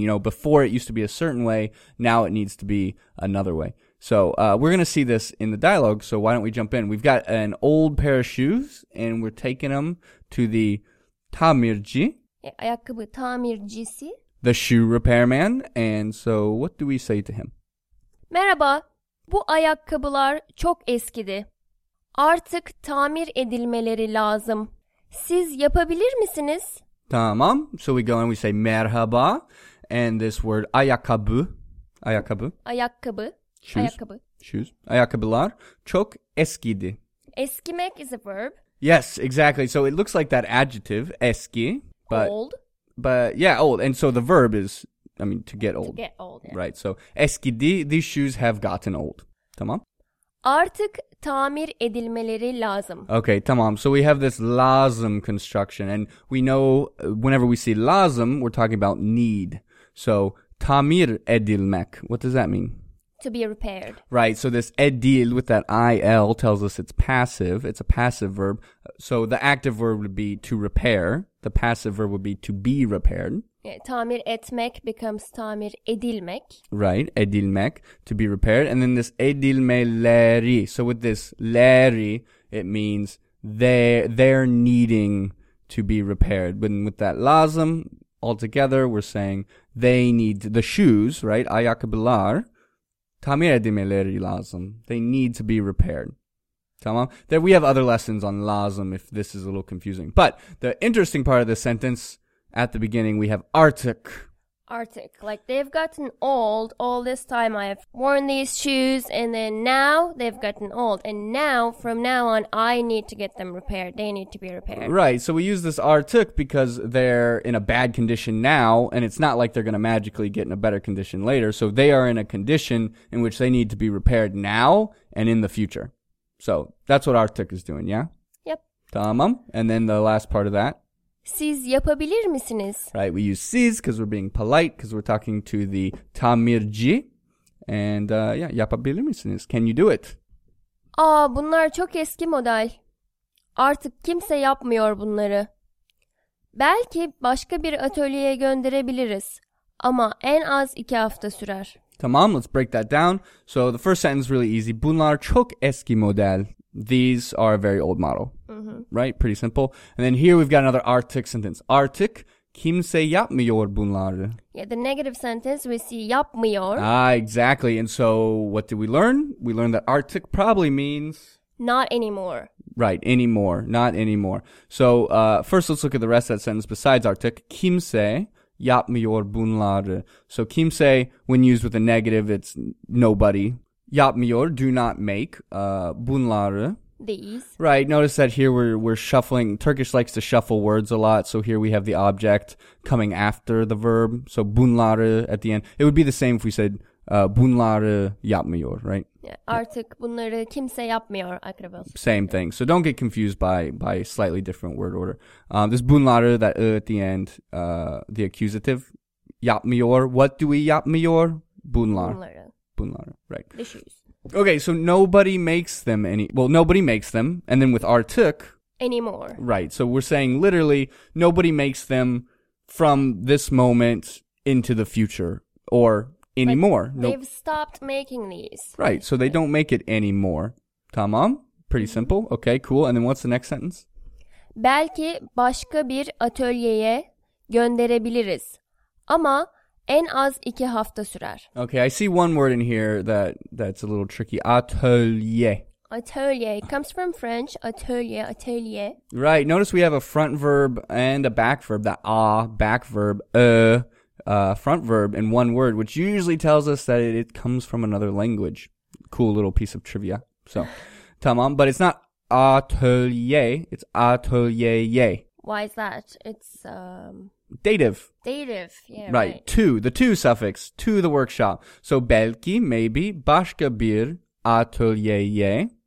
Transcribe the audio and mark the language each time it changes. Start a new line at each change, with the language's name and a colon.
English: You know, before it used to be a certain way, now it needs to be another way. So we're going to see this in the dialogue, so why don't we jump in? We've got an old pair of shoes, and we're taking them to the tamirci.
Turkish: Ayakkabı tamircisi.
English: The shoe repair man. And so what do we say to him?
Turkish: Merhaba, bu ayakkabılar çok eskidi. Artık tamir edilmeleri lazım. Siz yapabilir misiniz?
English: Tamam, so we go and we say merhaba, and this word
Turkish: ayakkabı, ayakkabı. Ayakkabı.
English: Shoes.
Turkish: Ayakkabılar çok eskidi.
English: Eskimek is a verb. Yes, exactly. So it looks like that adjective, eski. But, old. But yeah, old. And so the verb is, I mean, to get old. To get old, yeah. Right, so eskidi, these shoes have gotten old.
Turkish: Tamam? Artık tamir edilmeleri lazım.
English: Okay, tamam. So we have this lazım construction. And we know whenever we see lazım, we're talking about need. So tamir edilmek, what does that mean? To be repaired. Right, so this edil with that il tells us it's passive. It's a passive verb. So the active verb would be to repair. The passive verb would be to be repaired. Yeah,
Turkish: tamir etmek
English: becomes
Turkish: tamir edilmek.
English: Right, edilmek, to be repaired. And then this edilmeleri. So with this leri, it means they're needing to be repaired. But with that lazım, altogether, we're saying they need the shoes, right?
Turkish: Ayakkabılar. Tamir edilmeleri lazım.
English: They need to be repaired. Tamam? There we have other lessons on lazım if this is a little confusing. But the interesting part of the sentence, at the beginning we have artık.
Turkish: Artık.
English: Like they've gotten old all this time. I have worn these shoes and then now they've gotten old. And now, from now on, I need to get them repaired. They need to be repaired. Right. So we use this artık because they're in a bad condition now and it's not like they're going to magically get in a better condition later. So they are in a condition in which they need to be repaired now and in the future. So that's what artık is doing, yeah? Yep.
Turkish: Tamam.
English: And then the last part of that.
Turkish: Siz yapabilir misiniz?
English: Right, we use siz because we're being polite, because we're talking to the tamirci. And yeah, yapabilir misiniz? Can you do it?
Turkish: Aa, bunlar çok eski model. Artık kimse yapmıyor bunları. Belki başka bir atölyeye gönderebiliriz. Ama en az 2 hafta sürer.
English: Tamam, let's break that down. So the first sentence is really easy.
Turkish: Bunlar çok eski model.
English: These are a very old model. Mm-hmm. Right? Pretty simple. And then here we've got another artık sentence.
Turkish: Artık kimse yapmıyor bunları.
English: Yeah, the negative sentence we see yapmıyor. Ah, exactly. And so what did we learn? We learned that artık probably means... not anymore. Right, anymore. Not anymore. So first let's look at the rest of that sentence besides artık. Kimse...
Turkish: yapmıyor bunları.
English: So kimse, when used with a negative, it's nobody. Yapmıyor, do not make. Bunları. These. Right, notice that here we're shuffling. Turkish likes to shuffle words a lot. So here we have the object coming after the verb. So bunları at the end. It would be the same if we said
Turkish: bunları yapmıyor,
English: right? Yeah,
Turkish: artık bunları kimse yapmıyor akrabası.
English: Same thing. So don't get confused by slightly different word order. This bunları, that at the end, the accusative, yapmıyor. What do we yapmıyor? Bunlar.
Turkish: Bunları. Bunları, right.
English: The shoes. Okay, so nobody makes them any... well, nobody makes them. And then with artık... anymore. Right, so we're saying literally, nobody makes them from this moment into the future. Or... anymore. But they've stopped making these. Right, so they don't make it anymore. Tamam? Pretty simple. Okay, cool. And then what's the next sentence?
Turkish: Belki başka bir atölyeye gönderebiliriz. Ama en az 2 hafta sürer.
English: Okay, I see one word in here that's a little tricky.
Turkish: Atölye.
English: Atölye. It comes from French. Atölye, atölye. Right, notice we have a front verb and a back verb. That a, back verb, front verb in one word, which usually tells us that it comes from another language. Cool little piece of trivia. So, tamam. But it's not atölye. It's atölyeye. Why is that? It's dative. Dative. Yeah. Right. To the to suffix to the workshop. So
Turkish: belki
English: maybe
Turkish: başka bir atölyeye.